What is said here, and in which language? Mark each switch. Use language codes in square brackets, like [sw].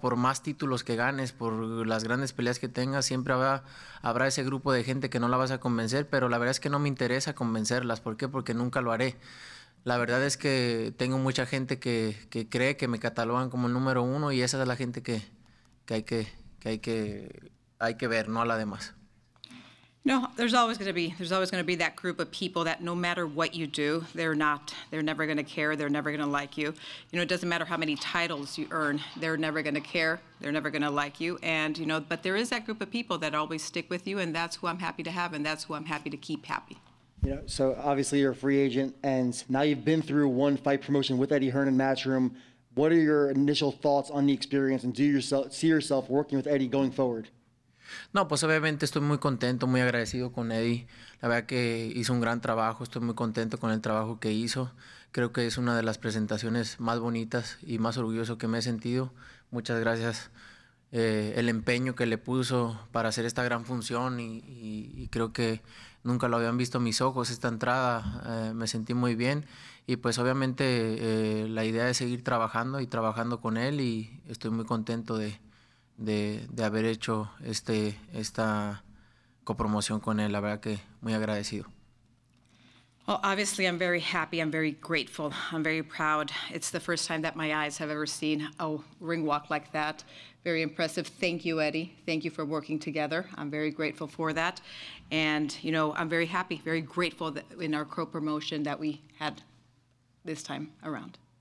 [es] Por más títulos que ganes, por las grandes peleas que tengas, siempre habrá ese grupo de gente que no la vas a convencer, pero la verdad es que no me interesa convencerlas. ¿Por qué? Porque nunca lo haré. La verdad es que tengo mucha gente que cree que me catalogan como el número uno y esa es la gente que hay que ver, no a la demás. [en] No, there's always going to be that group of people that no matter what you do, they're never going to care, they're never going to like you. You know, it doesn't matter how many titles you earn, they're never going to care, they're never going to like you. And, you know, but there is that group of people that always stick with you, and that's who I'm happy to have, and that's who I'm happy to keep happy. You know, so obviously you're a free agent, and now you've been through one fight promotion with Eddie Hearn in Matchroom. What are your initial thoughts on the experience, and see yourself working with Eddie going forward? [es] No, pues obviamente estoy muy contento, muy agradecido con Eddie. La verdad que hizo un gran trabajo, estoy muy contento con el trabajo que hizo. Creo que es una de las presentaciones más bonitas y más orgulloso que me he sentido. Muchas gracias el empeño que le puso para hacer esta gran función y creo que nunca lo habían visto mis ojos esta entrada. Me sentí muy bien y pues obviamente la idea es seguir trabajando y trabajando con él y estoy muy contento de haber hecho esta copromoción con él. La verdad que muy agradecido. [en] Well, obviously, I'm very happy. I'm very grateful. I'm very proud. It's the first time that my eyes have ever seen a ring walk like that. Very impressive. Thank you, Eddie. Thank you for working together. I'm very grateful for that. And, you know, I'm very happy, very grateful that in our co-promotion that we had this time around.